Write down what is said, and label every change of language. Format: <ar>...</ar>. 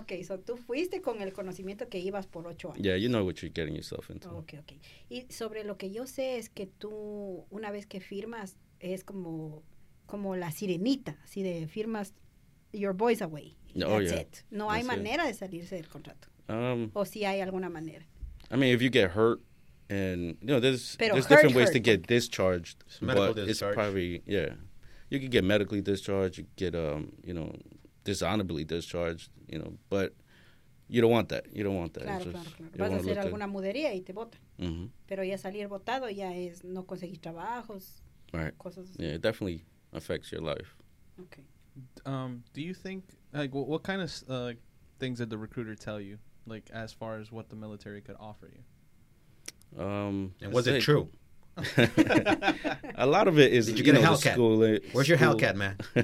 <es>Okay, so tú fuiste con el conocimiento que ibas por 8 años.</es> <en>Yeah, you know what you're getting yourself into.</en> <es>Okay. Y sobre lo que yo sé es que tú, una vez que firmas, es como la sirenita, así de firmas</es> <en>your voice away. That's it.</en> <es>No hay manera de salirse del contrato. O si hay alguna manera.</es> <en>I mean, if you get hurt, and you know, there's different ways to get discharged. It's probably you can get medically discharged. You get you know, dishonorably discharged. You know, but you don't want that.</en> <es>Claro. Vas a hacer alguna mudería y te botan. Mm-hmm. Pero ya salir botado ya es no conseguir trabajos.</es> <en>Right. Cosas. Yeah, it definitely affects your life. Okay. Do you think what kind of things did the recruiter tell you? Like, as far as what the military could offer you? And was it true? A lot of it is, did you get you know, a Hellcat? Where's your Hellcat, man?</en>